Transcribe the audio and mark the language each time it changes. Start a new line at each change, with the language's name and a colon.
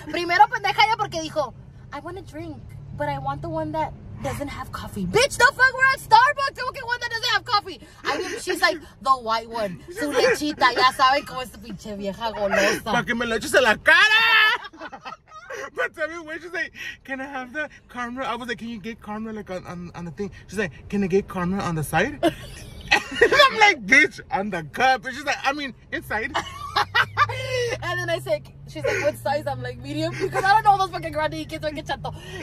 Spanish: Primero pendeja ella porque dijo,
English: I want a drink, but I want the one that doesn't have coffee. Bitch, the fuck, we're at Starbucks. Don't get one that doesn't have coffee. I mean, she's like the white one.
Spanish: Su lechita, ya saben cómo es esta pinche vieja golosa. Para que me lo eches en la cara.
English: But tell me when she's like, can I have the caramel? I was like, can you get caramel like on the thing? She's like, can I get caramel on the side? And I'm like, bitch, on the cup. And she's like, I mean, inside. And then I say, she's like, what size? I'm like, medium. Because I don't know those fucking grande kids are chato.